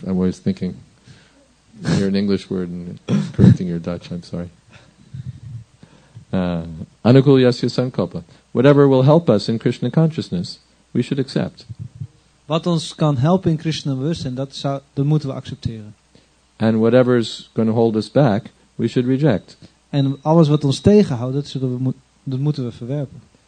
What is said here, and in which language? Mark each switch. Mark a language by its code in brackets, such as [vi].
[en] I'm always thinking you're an English word and correcting your Dutch. I'm sorry. [sa] Anukul yasya sankalpa. [en] Whatever will help us in Krishna consciousness, we should accept. [nl] Wat ons kan helpen in Krishna bewustzijn, dat moeten we accepteren. [en] And whatever is going to hold us back, we should reject. [nl] En alles wat ons tegenhoudt, dat moeten we verwerpen.